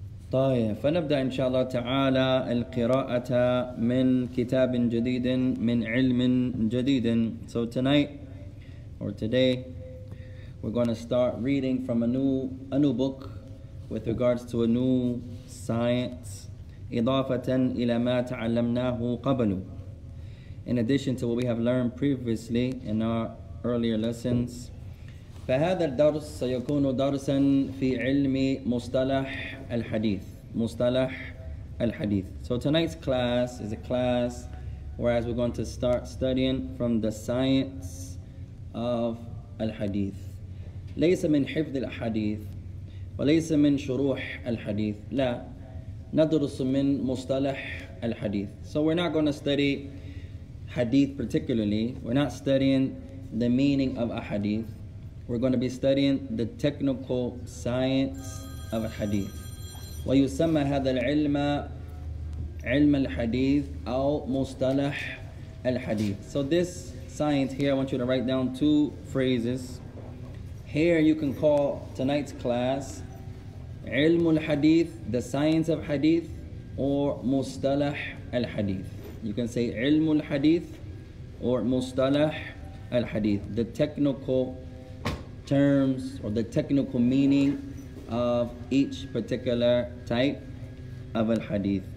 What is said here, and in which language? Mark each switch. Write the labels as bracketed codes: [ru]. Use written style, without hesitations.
[ar] طيب فنبدأ إن شاء الله تعالى القراءة من كتاب جديد من علم جديد. [en] So tonight, or today, we're going to start reading from a new book with regards to a new science, [ar] إضافة إلى ما تعلمناه قبل, [en] in addition to what we have learned previously in our earlier lessons. [ar] فهذا الدرس سيكون درسا في علم مصطلح الحديث. مصطلح الحديث. [en] So tonight's class is a class whereas we're going to start studying from the science of الحديث. [ar] ليس من حفظ الحديث وليس من شروح الحديث. لا, ندرس من مصطلح الحديث. [en] So we're not going to study hadith particularly. We're not studying the meaning of a hadith. We're going to be studying the technical science of a hadith. [ar] ويسمى هذا العلم علم الحديث أو مصطلح الحديث. [en] So this science here, I want you to write down two phrases. Here you can call tonight's class [ar] علم الحديث, [en] the science of hadith, or [ar] مصطلح الحديث. [en] You can say [ar] علم الحديث [en] or [ar] مصطلح الحديث, [en] the technical terms or the technical meaning of each particular type of al-hadith.